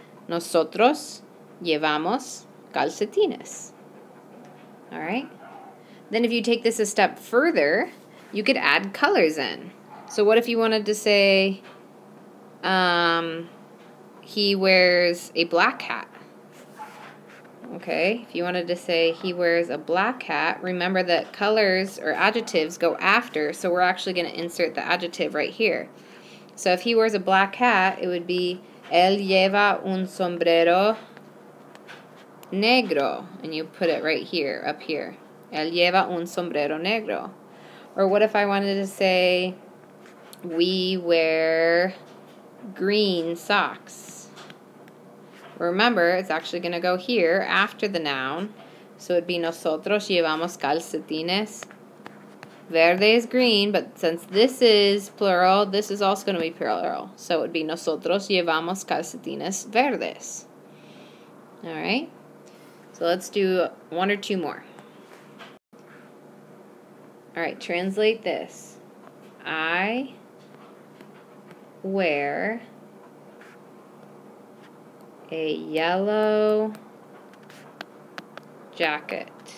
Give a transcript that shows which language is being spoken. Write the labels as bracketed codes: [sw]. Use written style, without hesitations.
[es] Nosotros llevamos calcetines. [en] Alright? Then if you take this a step further, you could add colors in. So what if you wanted to say, he wears a black hat? Okay, if you wanted to say he wears a black hat, remember that colors or adjectives go after, so we're actually going to insert the adjective right here. So if he wears a black hat, it would be [es] él lleva un sombrero negro, [en] and you put it right here, up here. [es] Él lleva un sombrero negro. [en] Or what if I wanted to say we wear green socks? Remember, it's actually going to go here after the noun. So it'd be [es] nosotros llevamos calcetines. [en] Verde is green, but since this is plural, this is also going to be plural. So it would be [es] nosotros llevamos calcetines verdes. [en] All right? So let's do one or two more. All right, translate this. I wear a yellow jacket.